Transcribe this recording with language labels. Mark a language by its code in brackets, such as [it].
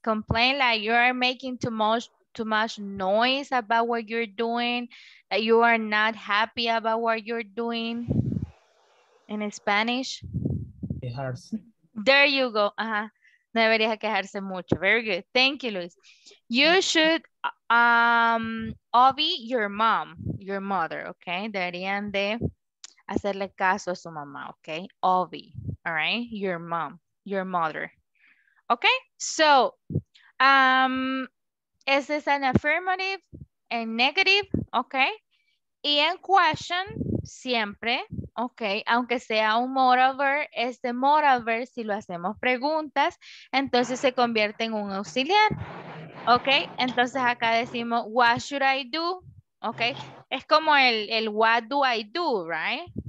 [en] Complain like you are making too much noise about what you're doing, that you are not happy about what you're doing in Spanish. [es] Quejarse. [en] There you go. Uh-huh. [es] No debería quejarse mucho. [en] Very good. Thank you, Luis. You should obey your mom, your mother, okay? [es] Deberían de hacerle caso a su mamá, okay? [en] Obey, all right? Your mom, your mother. Okay, so is this an affirmative and negative? Okay. [es] Y en question, siempre, okay, aunque sea un modal verb, este modal verb, si lo hacemos preguntas, entonces se convierte en un auxiliar. Okay, entonces acá decimos, [en] what should I do? [es] Okay, es como el [en] what do I do, right?